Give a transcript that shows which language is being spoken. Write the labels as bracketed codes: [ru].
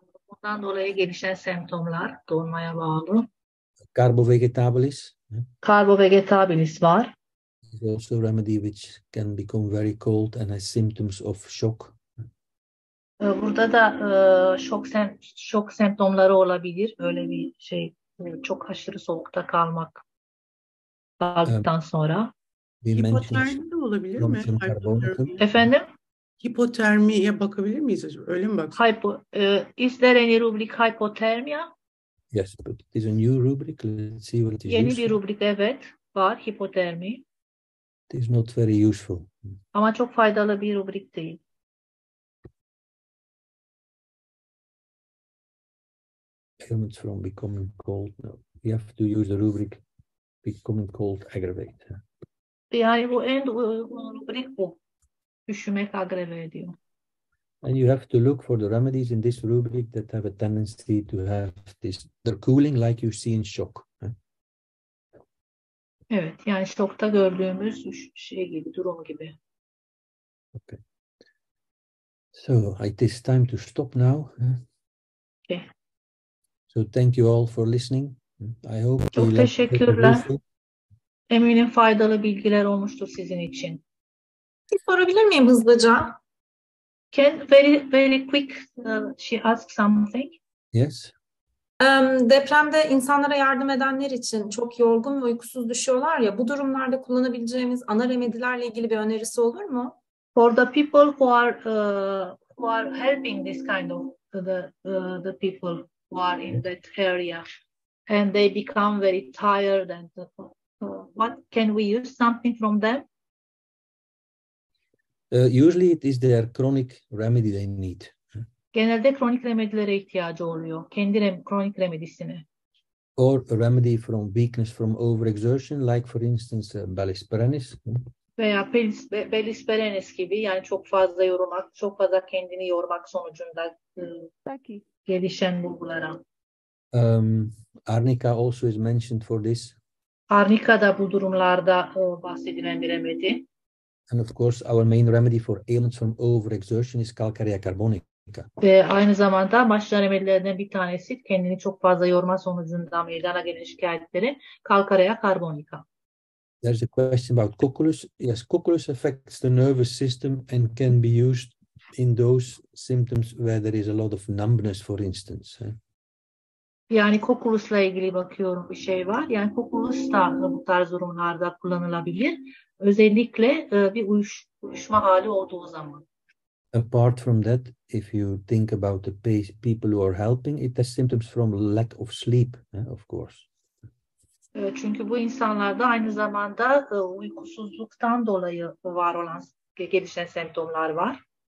[tr] Bundan dolayı gelişen semptomlar donmaya bağlı. Carbo vegetabilis. Carbovegetabilis var. [en] It's also a remedy which can become very cold and has symptoms of shock. [tr] Burada da şok semptomları olabilir. Öyle bir şey, çok aşırı soğukta kalmak kaldıktan sonra. Hipotermi de olabilir mi? Efendim? Hipotermiye bakabilir miyiz acaba? Öyle mi baksın? [en] Is there any rubric hypothermia? Yes, but it is a new rubric. Let's see what it is. [tr] Yeni bir rubrik, evet, var, hipotermi. [en] It is not very useful. [tr] Ama çok faydalı bir rubrik değil. [en] Ailments from becoming cold. No, we have to use the rubric becoming cold aggravate. [tr] Yani bu en rubrik bu. Üşümek agreve ediyor. [en] And you have to look for the remedies in this rubric that have a tendency to have this, the cooling like you see in shock. [tr] Evet, yani şokta gördüğümüz şey gibi, durum gibi. [en] Okay. So it is time to stop now. Okay. So thank you all for listening. I hope [tr] çok teşekkürler. Eminim faydalı bilgiler olmuştur sizin için. Bir sorabilir miyim hızlıca? [en] Can very very quick she ask something? Yes. [tr] Depremde insanlara yardım edenler için çok yorgun ve uykusuz düşüyorlar ya, bu durumlarda kullanabileceğimiz ana remedilerle ilgili bir önerisi olur mu? [en] For the people who are helping this kind of the people who are in that area and they become very tired and what can we use something from them? Usually it is their chronic remedy they need. [tr] Genelde kronik remedilere ihtiyacı oluyor. Kendi kronik remedisine. [en] Or a remedy from weakness from overexertion, like for instance belisperenis. [tr] Veya belisperenis gibi, yani çok fazla yormak, çok fazla kendini yormak sonucunda gelişen bulgulara. [en] Arnica also is mentioned for this. [tr] Arnica da bu durumlarda bahsedilen bir remedi. [en] And of course our main remedy for ailments from overexertion is calcarea carbonica. [tr] Ve aynı zamanda başlıca remedilerden bir tanesi kendini çok fazla yorma sonucunda meydana gelen şikayetleri calcarea carbonica. [en] There's a question about cocculus. Yes, cocculus affects the nervous system and can be used in those symptoms where there is a lot of numbness for instance. [tr] Yani kokulusla ilgili bakıyorum, bir şey var. Yani kokulus da bu tarz durumlarda kullanılabilir. Özellikle bir uyuşma hali olduğu zaman. [en] Apart from that, if you think about the people who are helping, it has symptoms from lack of sleep, of course. [tr] Çünkü bu insanlarda aynı zamanda uykusuzluktan dolayı var olan gelişen semptomlar var.